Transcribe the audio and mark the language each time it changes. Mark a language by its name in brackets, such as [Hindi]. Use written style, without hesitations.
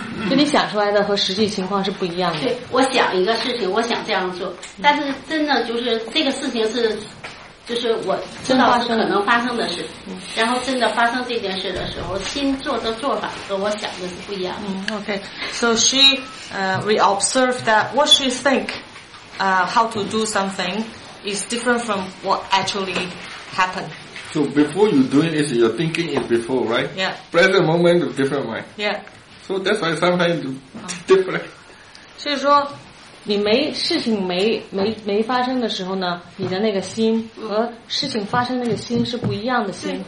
[Chinese] 就你想出来的和实际情况是不一样的。对，我想一个事情，我想这样做，但是真的就是这个事情是，就是我知道是可能发生的事，然后真的发生这件事的时候，心做的做法和我想的是不一样的。 [English] 嗯 ，OK， so she, we observe that what she think, how to do something is different from what actually happened. So before you doing it, you're thinking it before, right? Yeah. Present moment of different mind. Yeah. So that's why sometimes different. [Chinese] 所以说，你没事情没发生的时候呢，你的那个心和事情发生那个心是不一样的心。